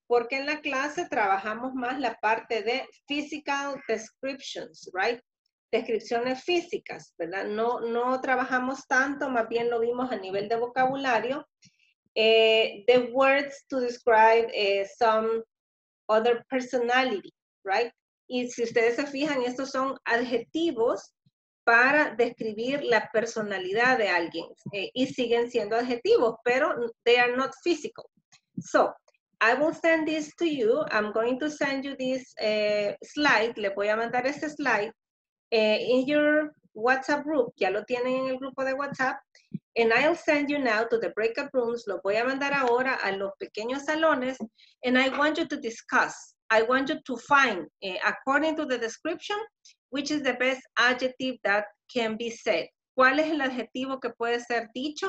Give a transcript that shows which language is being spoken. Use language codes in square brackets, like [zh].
[es] Porque en la clase trabajamos más la parte de [en] physical descriptions, right? [es] Descripciones físicas, ¿verdad? No trabajamos tanto, más bien lo vimos a nivel de vocabulario. [en] The words to describe some other personality, right? [es] Y si ustedes se fijan, estos son adjetivos para describir la personalidad de alguien. Y siguen siendo adjetivos, pero [en] they are not physical. So, I will send this to you. I'm going to send you this slide. [es] Le voy a mandar este slide [en] in your WhatsApp group. [es] Ya lo tienen en el grupo de WhatsApp. [en] And I'll send you now to the breakout rooms. [es] Lo voy a mandar ahora a los pequeños salones. [en] And I want you to discuss. I want you to find, according to the description, which is the best adjective that can be said. [es] ¿Cuál es el adjetivo que puede ser dicho?